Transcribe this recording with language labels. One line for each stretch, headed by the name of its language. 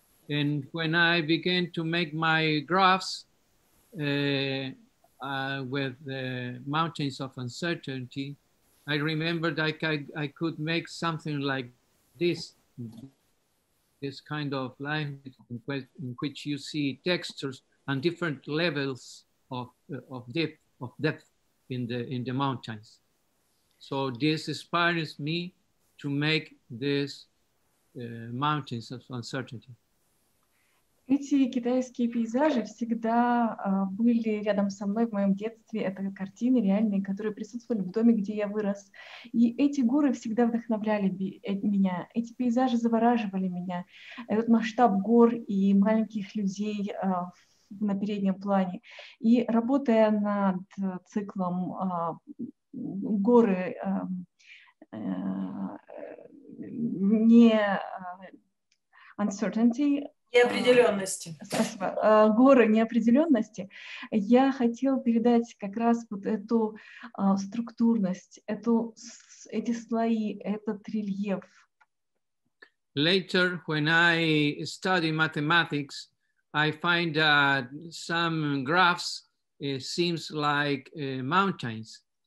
English: And when I began to make my graphs with the mountains of uncertainty, I remembered I could make something like this kind of line in which you see textures and different levels of depth in the mountains. So this inspires me to make this mountains of uncertainty.
Russian: Эти китайские пейзажи всегда были рядом со мной в моем детстве. Это картины реальные, которые присутствовали в доме, где я вырос. И эти горы всегда вдохновляли меня. Эти пейзажи завораживали меня. Этот масштаб гор и маленьких людей на переднем плане. И работая над циклом «Горы не uncertainty», неопределенности. Спасибо. Горы неопределенности. Я хотела передать как раз вот эту структурность, эти слои, этот рельеф.
English: Later, when I study mathematics, I find that some graphs seems like mountains.